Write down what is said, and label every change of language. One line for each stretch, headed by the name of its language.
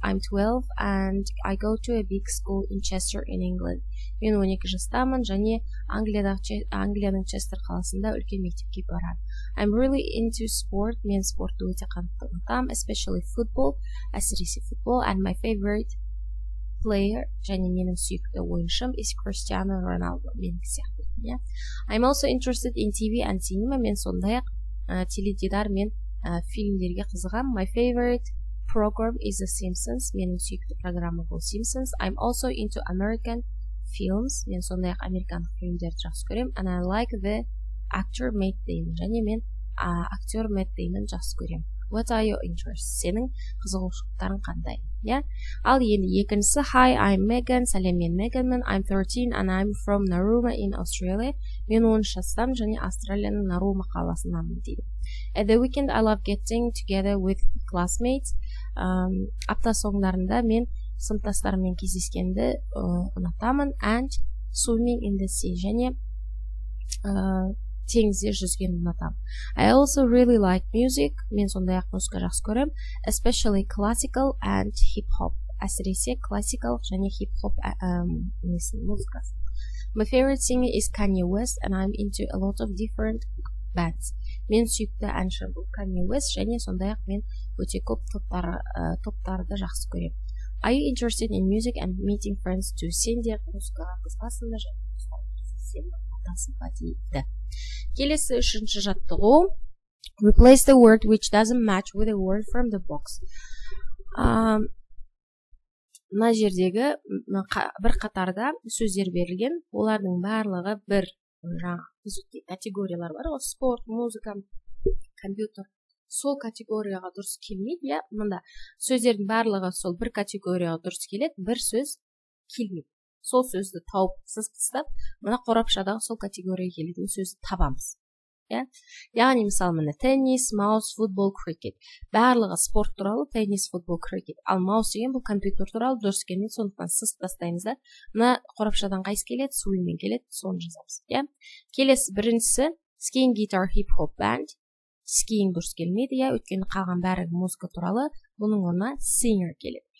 English: I'm 12 and I go to a big school in Chester in England.
Kazakh: Мен 12 жастамын және Англияның Честер қаласында үлкен мектепке барам.
English: I'm really into sport.
Kazakh: Мен спортты өте қатты ұнатам,
English: especially football.
Kazakh: Әсіресе футбол.
English: And my favorite player,
Kazakh: және менің сүйікті ойыншым,
English: is Cristiano Ronaldo.
Kazakh: Менің сияқты.
English: I'm also interested in TV and cinema.
Kazakh: Мен сондай-ақ теледидар мен фильмдерге қызығам.
English: My favorite program is The Simpsons.
Kazakh: Менің сүйікті программа бұл Simpsons.
English: I'm also into American films.
Kazakh: Мен сондай-ақ американдық фильмдерді жақсы көрем.
English: And I like the actor Matt Damon.
Kazakh: Және мен актер Matt Damon жақсы көрем.
English: What are your interests?
Kazakh: Сенің қызығушылықтарың қандай? Ал енді екіншісі.
English: Hi, I'm Megan.
Kazakh: Сәлем, мен Меганмен.
English: I'm 13 and I'm from Нарума in Australia.
Kazakh: Мен 10 жастамын және Австралияның Нарума қаласынанмын дейді.
English: At the weekend I love getting together with classmates.
Kazakh: Апта соңдарында мен сыныптастарыммен кездескенді ұнатамын.
English: And swimming in the sea.
Kazakh: Және теңізде жүзген ұнатамын.
English: I also really like music.
Kazakh: Мен сондай-ақ музыка жақсы көрем.
English: Especially classical and hip-hop.
Kazakh: Әсіресе классикалық және hip-hop музыка.
English: My favorite singer is Kanye West and I'm into a lot of different bands.
Kazakh: Мен сүйікті әнші бұл Kanye West және сондай-ақ мен өте көп топтарды жақсы көрем.
English: Are you interested in music and meeting friends too?
Kazakh: Сенде музыкаға қызығасыңдар және сіздерді. Келесі үшінші жаттығу.
English: Replace the word which doesn't match with a word from the box.
Kazakh: Мына жердегі бір қатарда сөздер берілген, олардың барлығы бір жаңа категориялар бар. Ол спорт, музыка, компьютер. Сол категорияға дұрыс келмейді. Мында сөздердің барлығы сол бір категорияға дұрыс келеді, бір сөз келмейді. Сол сөзді тауып, сіз тастап, мына қорапшадағы сол категория келетін сөзді табамыз. Яғни, мысалы, мына теннис, маус, футбол, крикет. Барлығы спорт туралы теннис, футбол, крикет. Ал маус деген бұл компьютер туралы дұрыс келмейді, сондықтан сіз тастаймыз да. Мына қорапшадан қайсы келеді, суымен келеді, соны жазамыз. Келесі біріншісі, skiing, guitar, hip-hop, band. Skiing дұрыс келмейді, өйткені қалған бәрі музыка туралы, бұның орнына singer келеді.